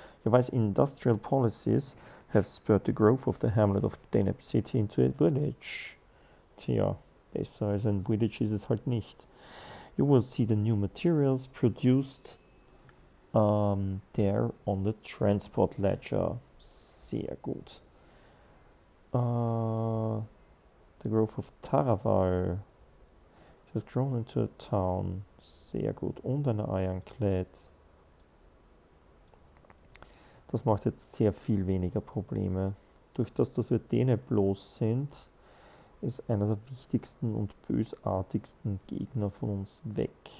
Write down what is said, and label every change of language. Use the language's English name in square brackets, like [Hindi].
[English] Your wise industrial policies have spurred the growth of the hamlet of Deneb City into a village. [German] Tja, besser als ein Village ist es halt nicht. [English] You will see the new materials produced there on the transport ledger. [German] Sehr gut. [English] The growth of Taraval has grown into a town. [German] Sehr gut. Und eine Ironclad. Das macht jetzt sehr viel weniger Probleme. Durch das, dass wir denen bloß sind, ist einer der wichtigsten und bösartigsten Gegner von uns weg.